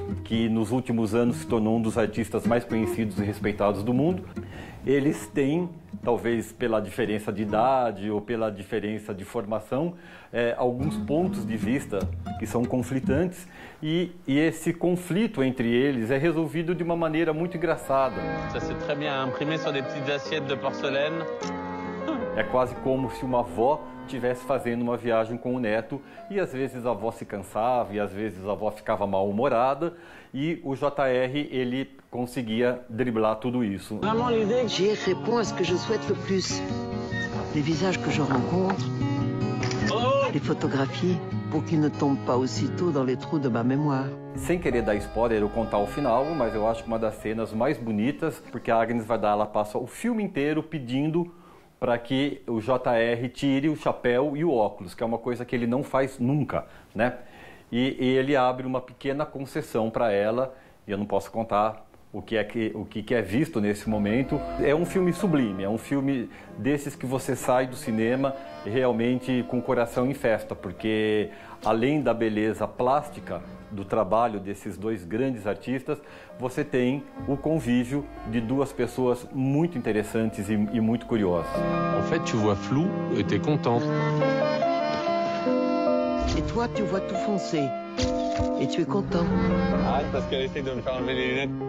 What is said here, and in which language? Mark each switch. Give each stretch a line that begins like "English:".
Portuguese: que nos últimos anos se tornou um dos artistas mais conhecidos e respeitados do mundo. Eles têm, talvez pela diferença de idade ou pela diferença de formação, alguns pontos de vista que são conflitantes, e esse conflito entre eles é resolvido de uma maneira muito engraçada.
French: Ça c'est très bien imprimé sur des petites assiettes de porcelaine.
Portuguese: É quase como se uma avó estivesse fazendo uma viagem com o neto, e às vezes a avó se cansava e às vezes a avó ficava mal-humorada, e o JR, ele conseguia driblar tudo isso.
French: J'ai répondu à ce que je souhaite le plus. Les visages que je rencontre, les photographies, pour qu'ils ne tombent pas aussitôt dans les trous de ma mémoire.
Portuguese: Sem querer dar spoiler ou contar o final, mas eu acho que uma das cenas mais bonitas, porque a Agnes Vardar, ela passa o filme inteiro pedindo para que o JR tire o chapéu e o óculos, que é uma coisa que ele não faz nunca, né? E ele abre uma pequena concessão para ela, e eu não posso contar o que é visto nesse momento. É um filme sublime, é um filme desses que você sai do cinema realmente com o coração em festa, porque além da beleza plástica do trabalho desses dois grandes artistas, você tem o convívio de duas pessoas muito interessantes e muito curiosas.
French: En fait, tu vois flou et t'es content. Et toi, tu vois tout foncé et tu es content. Ah, parce qu'elle essaie de me faire enlever les lunettes.